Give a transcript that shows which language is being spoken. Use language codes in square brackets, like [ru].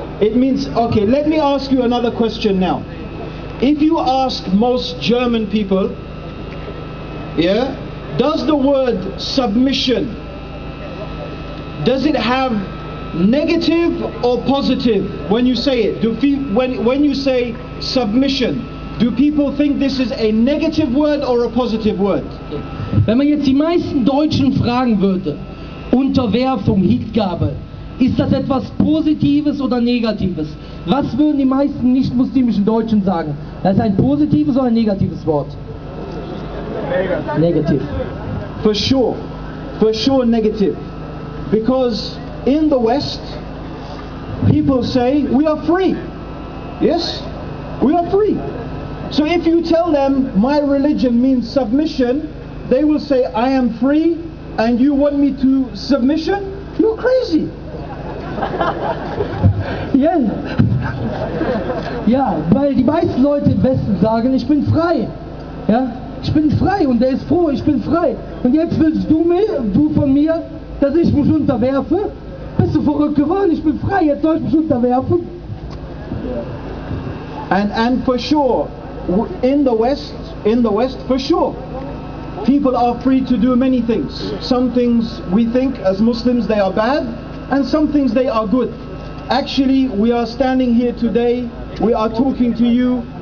[en] It means, okay, let me ask you another question now. If you ask most German people, yeah, does the word submission, does it have negative or positive when you say it? When you say submission, do people think this is a negative word or a positive word? [de] Wenn man jetzt die meisten Deutschen fragen würde, Unterwerfung, Hingabe, ist das etwas Positives oder Negatives? Was würden die meisten nicht-muslimischen Deutschen sagen? Das ist ein positives oder ein negatives Wort? [en] Negative. For sure negative. Because in the West, people say, we are free. Yes? We are free. So if you tell them, my religion means submission, they will say, I am free, and you want me to submission? You're crazy. Yes. [de] Ja, weil die meisten Leute im Westen sagen, ich bin frei. Ja, ich bin frei und der ist froh, ich bin frei. Und jetzt willst du von mir, dass ich mich unterwerfe? Bist du verrückt geworden? Ich bin frei, jetzt soll ich mich unterwerfen? [en] And for sure, in the West, for sure, people are free to do many things. Some things we think as Muslims they are bad, and some things they are good. Actually, we are standing here today, we are talking to you.